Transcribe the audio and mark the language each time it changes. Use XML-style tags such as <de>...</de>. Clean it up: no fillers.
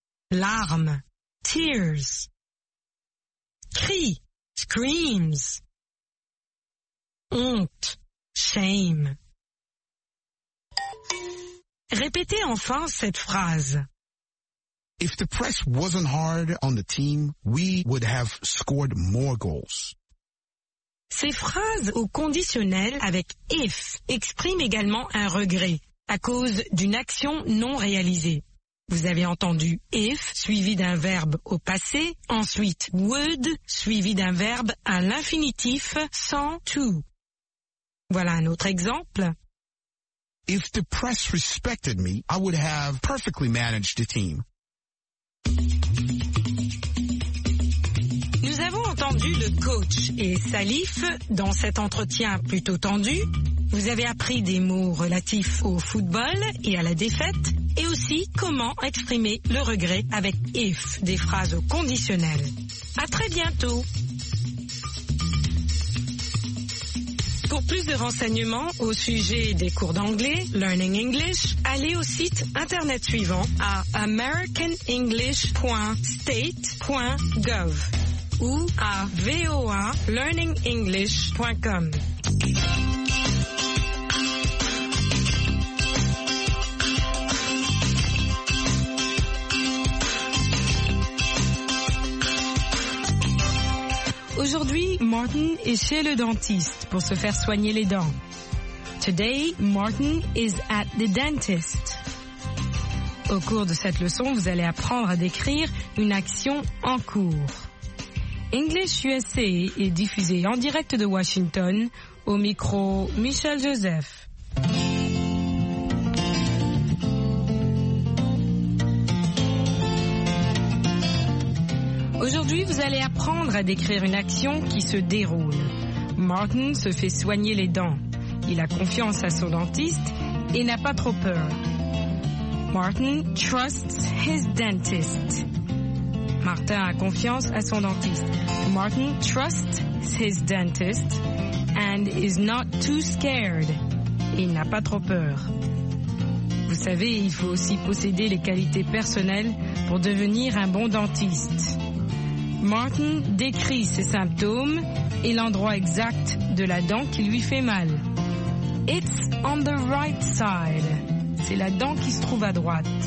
<fr>Larmes, tears. Cris, screams. Honte, shame. Répétez enfin cette phrase.</fr> <en>If the press wasn't hard on the team, we would have scored more goals.</en> <fr>Ces phrases au conditionnel avec if expriment également un regret à cause d'une action non réalisée. Vous avez entendu if suivi d'un verbe au passé, ensuite would suivi d'un verbe à l'infinitif sans to. Voilà un autre exemple.</fr> <en>If the press respected me, I would have perfectly managed the team.</en> <fr>Nous avons entendu le coach et Salif dans cet entretien plutôt tendu. Vous avez appris des mots relatifs au football et à la défaite et aussi comment exprimer le regret avec if, des phrases au conditionnel. À très bientôt. Pour plus de renseignements au sujet des cours d'anglais, Learning English, allez au site internet suivant à americanenglish.state.gov ou à voalearningenglish.com. Aujourd'hui, Martin est chez le dentiste pour se faire soigner les dents.</fr> <en>Today, Martin is at the dentist.</en> <fr>Au cours de cette leçon, vous allez apprendre à décrire une action en cours. English USA est diffusé en direct de Washington au micro Michel Joseph. Aujourd'hui, vous allez apprendre à décrire une action qui se déroule. Martin se fait soigner les dents. Il a confiance à son dentiste et n'a pas trop peur.</fr> <en>Martin trusts his dentist.</en> <fr>Martin a confiance à son dentiste.</fr> <en>Martin trusts his dentist and is not too scared.</en> <fr>Il n'a pas trop peur. Vous savez, il faut aussi posséder les qualités personnelles pour devenir un bon dentiste. Martin décrit ses symptômes et l'endroit exact de la dent qui lui fait mal.</fr> <en>It's on the right side.</en> <fr>C'est la dent qui se trouve à droite.</fr>